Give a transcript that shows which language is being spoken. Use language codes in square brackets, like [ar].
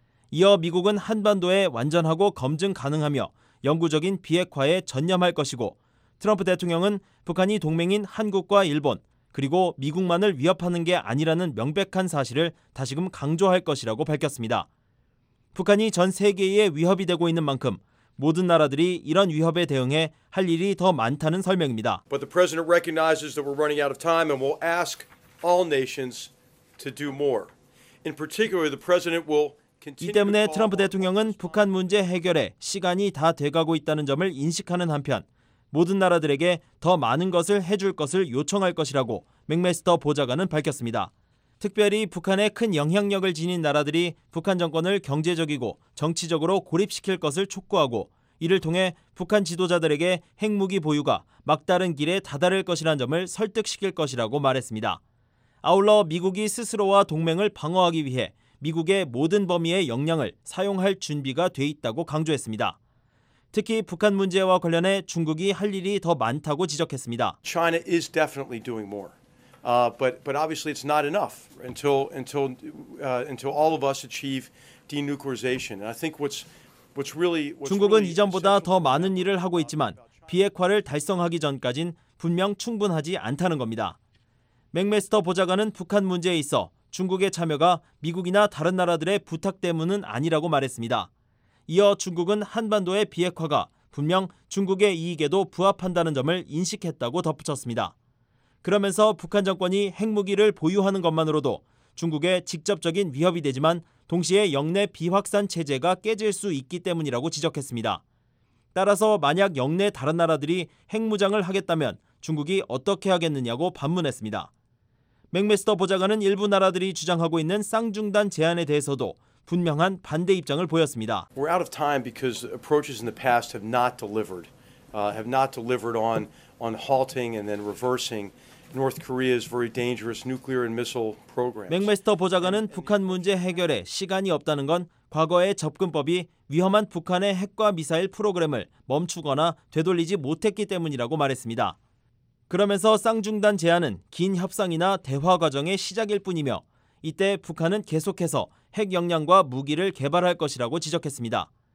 [ko] 이어 미국은 한반도에 완전하고 검증 가능하며 영구적인 비핵화에 전념할 것이고 트럼프 대통령은 북한이 동맹인 한국과 일본 그리고 미국만을 위협하는 게 아니라는 명백한 사실을 다시금 강조할 것이라고 밝혔습니다. 북한이 전 세계에 위협이 되고 있는 만큼 모든 나라들이 이런 위협에 대응해 할 일이 더 많다는 설명입니다. [en] But the president recognizes that we're running out of time and will ask all nations to do more. In particular, the president will [ko] 이 때문에 트럼프 대통령은 북한 문제 해결에 시간이 다 돼가고 있다는 점을 인식하는 한편 모든 나라들에게 더 많은 것을 해줄 것을 요청할 것이라고 맥메스터 보좌관은 밝혔습니다. 특별히 북한에 큰 영향력을 지닌 나라들이 북한 정권을 경제적이고 정치적으로 고립시킬 것을 촉구하고 이를 통해 북한 지도자들에게 핵무기 보유가 막다른 길에 다다를 것이라는 점을 설득시킬 것이라고 말했습니다. 아울러 미국이 스스로와 동맹을 방어하기 위해 미국의 모든 범위의 역량을 사용할 준비가 돼 있다고 강조했습니다. 특히 북한 문제와 관련해 중국이 할 일이 더 많다고 지적했습니다. [en] China is definitely doing more. But obviously it's not enough until all of us achieve denuclearization. And I think what's really [ko] 중국은 이전보다 더 많은 일을 하고 있지만 비핵화를 달성하기 전까진 분명 충분하지 않다는 겁니다. 맥메스터 보좌관은 북한 문제에 있어 중국의 참여가 미국이나 다른 나라들의 부탁 때문은 아니라고 말했습니다. 이어 중국은 한반도의 비핵화가 분명 중국의 이익에도 부합한다는 점을 인식했다고 덧붙였습니다. 그러면서 북한 정권이 핵무기를 보유하는 것만으로도 중국의 직접적인 위협이 되지만 동시에 영내 비확산 체제가 깨질 수 있기 때문이라고 지적했습니다. 따라서 만약 영내 다른 나라들이 핵무장을 하겠다면 중국이 어떻게 하겠느냐고 반문했습니다. 맥메스터 보좌관은 일부 나라들이 주장하고 있는 쌍중단 제안에 대해서도 분명한 반대 입장을 보였습니다. [en] We're out of time because approaches in the past have not delivered. Have not delivered on halting and then reversing North Korea's very dangerous nuclear and missile programs. [ko] 맥메스터 보좌관은 북한 문제 해결에 시간이 없다는 건 과거의 접근법이 위험한 북한의 핵과 미사일 프로그램을 멈추거나 되돌리지 못했기 때문이라고 말했습니다. 그러면서 쌍중단 제안은 긴 협상이나 대화 과정의 시작일 뿐이며 이때 북한은 계속해서 핵 역량과 무기를 개발할 것이라고 지적했습니다.